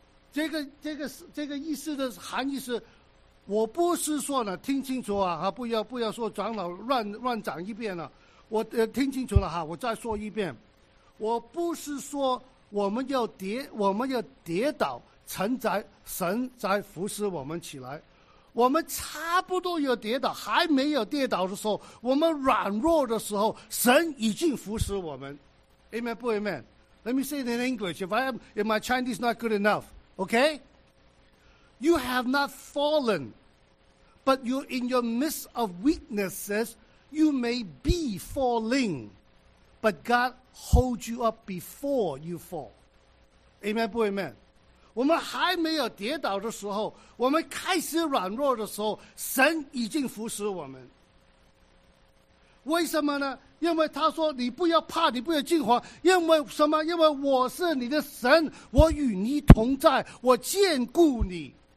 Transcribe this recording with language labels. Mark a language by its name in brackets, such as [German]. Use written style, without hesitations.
[Chinese] 这个意思的含义是，我不是说呢，听清楚啊，不要说长老乱讲一遍了，听清楚了哈，我再说一遍，我不是说我们要跌倒，神才扶持我们起来，我们差不多要跌倒，还没有跌倒的时候，我们软弱的时候，神已经扶持我们 ，Amen 不 Amen？ [English] Let me say it in English. If my Chinese not good enough. Okay? You have not fallen, but you're in your midst of weaknesses. You may be falling, but God holds you up before you fall. [Chinese] Amen, 不 amen? 我们还没有跌倒的时候，我们开始软弱的时候，神已经扶持我们。为什么呢？因为他说你不要怕，你不要惊慌，因为什么？因为我是你的神，我与你同在，我眷顾你。